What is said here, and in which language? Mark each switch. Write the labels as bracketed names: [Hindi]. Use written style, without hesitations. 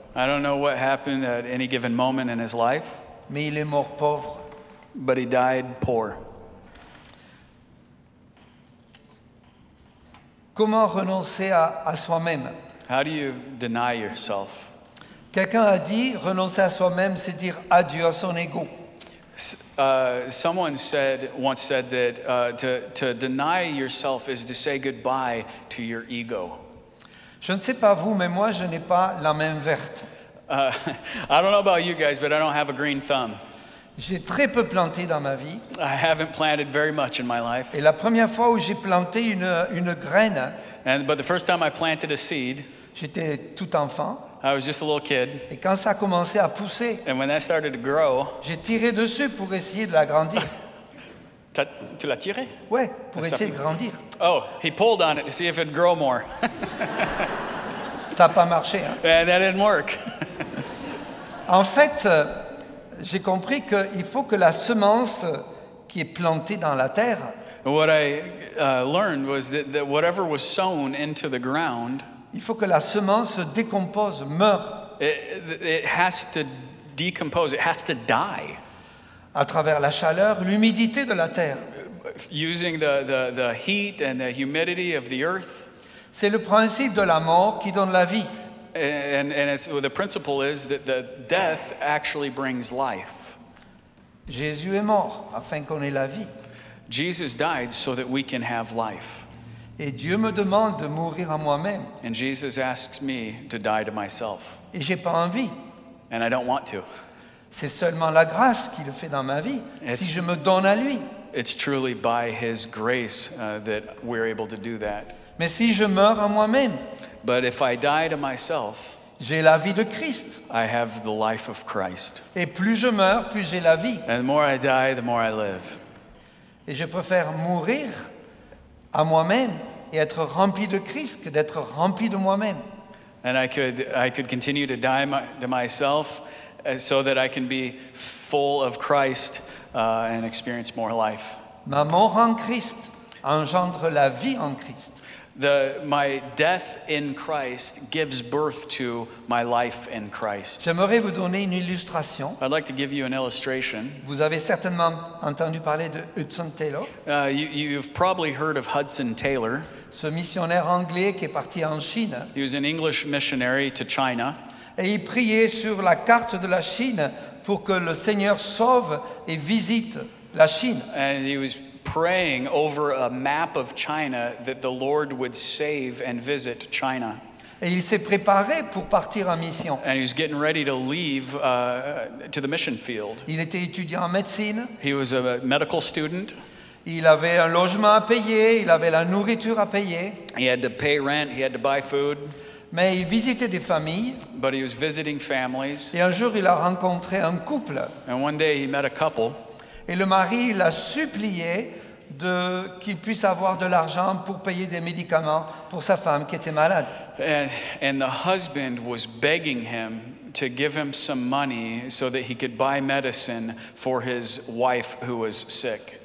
[English] I don't know what happened at any given moment in his life. [French] Mais il est mort pauvre. [English] But he died poor. [French] Comment renoncer à soi-même? [English] How do you deny yourself? [French] Quelqu'un a dit, renoncer à soi-même, c'est dire adieu à son ego. [English] Someone said once said that to deny yourself is to say goodbye to your ego. [French] Je ne sais pas vous, mais moi, je n'ai pas la main verte. [English] I don't know about you guys, but I don't have a green thumb. [French] J'ai très peu planté dans ma vie. [English] I haven't planted very much in my life. [French] Et la première fois où j'ai planté une graine. [English] But the first time I planted a seed. [French] J'étais tout enfant. [English] I was just a little kid. [French] Et quand ça a commencé à pousser, [English] and when that started to grow, [French] j'ai tiré dessus pour essayer de l'agrandir. Tu l'as tiré? Ouais, pour essayer de grandir. [English] Oh, he pulled on it to see if it'd grow more. [French] Ça n'a pas marché, hein? [English] And that didn't work. [French] En fait, j'ai compris qu'il faut que la semence qui est plantée dans la terre, [English] what I learned was that whatever was sown into the ground, [French] il faut que la semence se décompose, meure. [English] It has to decompose, it has to die. [French] À travers la chaleur, l'humidité de la terre. [English] Using the heat and the humidity of the earth. [French] C'est le principe de la mort qui donne la vie. [English] And the principle is that the death actually brings life. [French] Jésus est mort afin qu'on ait la vie. [English] Jesus died so that we can have life. [French] Et Dieu me demande de mourir à moi-même. [English] And Jesus asks me to die to myself. [French] Et j'ai pas envie. [English] And I don't want to. [French] C'est seulement la grâce qui le fait dans ma vie, si je me donne à lui. [English] It's truly by his grace that we're able to do that. [French] Mais si je meurs à moi-même, [English] but if I die to myself, [French] j'ai la vie de Christ. [English] I have the life of Christ. [French] Et plus je meurs, plus j'ai la vie. [English] And the more I die, the more I live. [French] Et je préfère mourir à moi-même et être rempli de Christ que d'être rempli de moi-même. [English] And I could continue to die to myself so that I can be full of Christ and experience more life. [French] Ma mort en Christ engendre la vie en Christ. [English] My death in Christ gives birth to my life in Christ. [French] J'aimerais vous donner une illustration. [English] I'd like to give you an illustration. [French] Vous avez certainement entendu parler de Hudson Taylor. [English] You've probably heard of Hudson Taylor. [French] Ce missionnaire anglais qui est parti en Chine. [English] He was an English missionary to China. [French] Et il priait sur la carte de la Chine pour que le Seigneur sauve et visite la Chine. [English] And he was praying over a map of China that the Lord would save and visit China. [French] Et il s'est préparé pour partir en mission. [English] And he was getting ready to leave to the mission field. [French] Il était étudiant en médecine. [English] He was a medical student. [French] Il avait un logement à payer, il avait la nourriture à payer. [English] He had to pay rent, he had to buy food. [French] Mais il visitait des familles. [English] But he was visiting families. [French] Et un jour, il a rencontré un couple. [English] And one day he met a couple. [French] Et le mari l'a supplié de qu'il puisse avoir de l'argent pour payer des médicaments pour sa femme qui était malade. [English] And the husband was begging him to give him some money so that he could buy medicine for his wife who was sick.